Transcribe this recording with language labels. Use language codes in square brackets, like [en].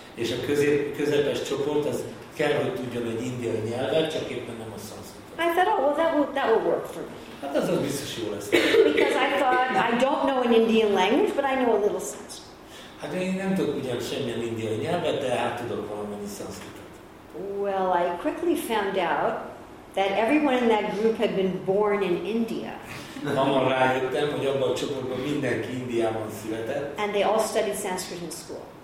[hu] És a közepes csoport az kell, hogy tudjon egy indiai nyelvet, csak éppen nem a Sanskrit. [en] I thought, oh, well, that will work for me. [hu] Hát az biztos jó lesz. [en] Because I thought, I don't know an Indian language, but I know a little Sanskrit. [hu] Hát én nem tudok ugyan semmilyen indiai nyelvet, de hát tudok valamennyi Sanskritot. [en] Well, I quickly found out that everyone in that group had been born in India. And they all studied Sanskrit in school.